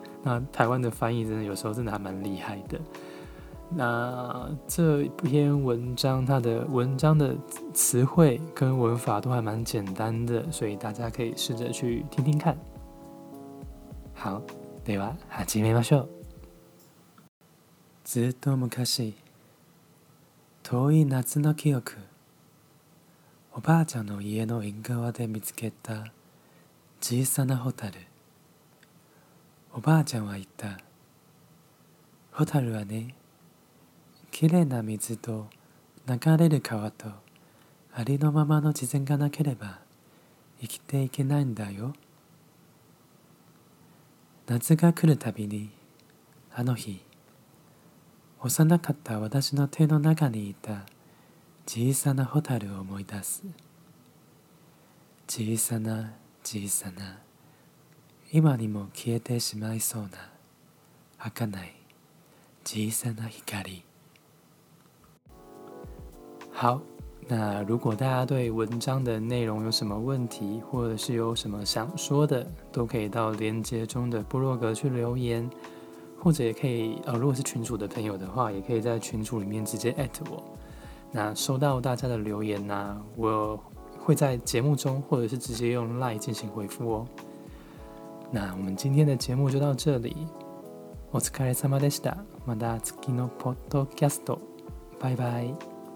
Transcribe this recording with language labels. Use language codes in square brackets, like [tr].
[zh] 那台湾的翻译真的有时候真的还蛮厉害的。那这篇文章它的文章的词汇跟文法都还蛮简单的，所以大家可以试着去听听看。 [ja] 好，では始めましょう。ずっと昔、遠い夏の記憶、おばあちゃんの家の縁側で見つけた小さなホタル。おばあちゃんは言った。ホタルはね、きれいな水と流れる川とありのままの自然がなければ生きていけないんだよ。夏が来るたびに、あの日、幼かった私の手の中にいた小さなホタルを思い出す。小さな小さな、今にも消えてしまいそうな儚い小さな光。 [zh] 好，那如果大家对文章的内容有什么问题，或者是有什么想说的，都可以到连结中的部落格去留言，或者也可以如果是群组的朋友的话，也可以在群组里面直接 at 我。那收到大家的留言呢，我会在节目中或者是直接用 LINE 进行回复哦。那我们今天的节目就到这里。 [ja] お疲れ様でした。また次のポッドキャスト。バイバイ。